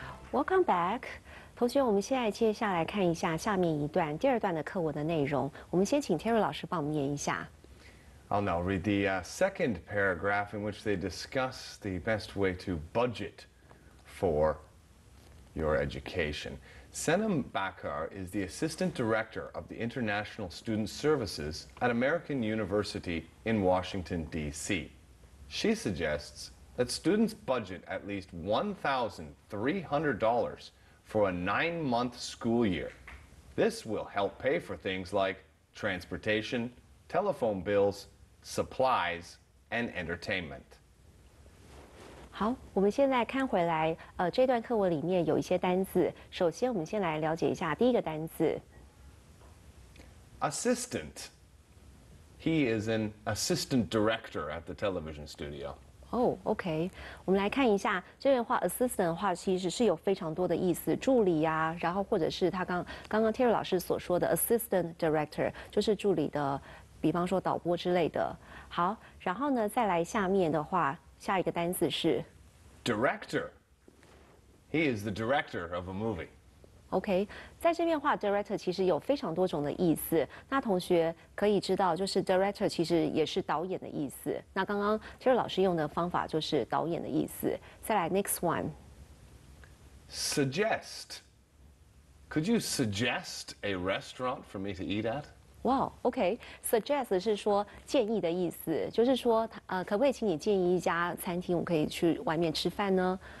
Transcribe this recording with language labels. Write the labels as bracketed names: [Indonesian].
[English] Welcome back， [Chinese] 同学，我们现在接下来看一下下面一段第二段的课文的内容，我们先请 Terry 老师帮我们念一下。 [English] I'll now read the second paragraph in which they discuss the best way to budget for your education. Senam Bakar is the assistant director of the International Student Services at American University in Washington, D.C. She suggests that students budget at least $1,300 for a 9-month school year. This will help pay for things like transportation, telephone bills,supplies and entertainment. [Chinese] 好，我们现在看回来，这段课文里面有一些单字。首先，我们先来了解一下第一个单字。 [English] Assistant. He is an assistant director at the television studio. Oh, okay. [Chinese] 我们来看一下这段话 ，assistant 的话其实是有非常多的意思，助理呀、啊，然后或者是他刚刚 Terry 老师所说的 assistant director 就是助理的。比方说导播之类的，好，然后呢，再来下面的话，下一个单词是 [English] director. He is the director of a movie. [Chinese] OK， 在这边的话 ，director 其实有非常多种的意思。那同学可以知道，就是 director 其实也是导演的意思。那刚刚其实老师用的方法就是导演的意思。再来 [English] next one. Suggest. Could you suggest a restaurant for me to eat at? Wow, okay. [Chinese] Suggest 是说建议的意思，就是说，可不可以请你建议一家餐厅，我可以去外面吃饭呢？